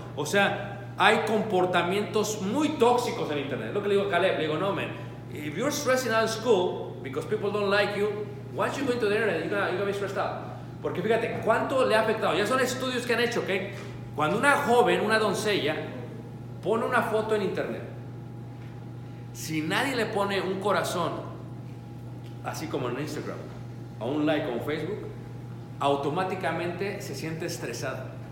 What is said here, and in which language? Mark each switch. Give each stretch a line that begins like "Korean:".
Spanish: O sea, hay comportamientos muy tóxicos en internet. Lo que le digo a Caleb, le digo,
English: no, man. If you're stressing out of school because people don't like you, once you go into the internet, you're gonna be stressed out.
Spanish: Porque fíjate, ¿cuánto le ha afectado? Ya son estudios que han hecho, ¿okay? Cuando una joven, una doncella, pone una foto en internet, si nadie le pone un corazón, así como en Instagram, o un like como Facebook, automáticamente se siente estresada.